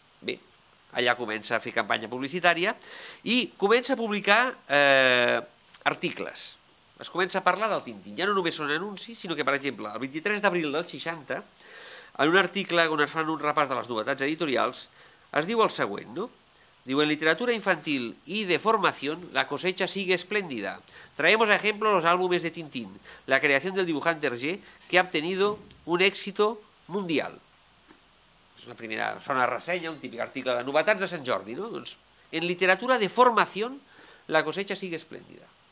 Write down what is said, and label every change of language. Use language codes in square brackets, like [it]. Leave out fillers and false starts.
[ca] Bé, allà comença a fer campanya publicitària i comença a publicar articles. Es comença a parlar del Tintín. Ja no només són anuncis, sinó que, per exemple, el 23 d'abril del 60, en un article on es fan un repàs de les novetats editorials, es diu el següent, no? [es] Diu, en literatura infantil i de formación, la cosecha sigue espléndida. Traemos a ejemplo los álbumes de Tintín, la creación del dibujante Hergé, que ha obtenido un éxito mundial. [ca] És una primera zona de ressenya, un típic article de novetats de Sant Jordi, no? [es] Doncs, en literatura de formación, la cosecha sigue espléndida.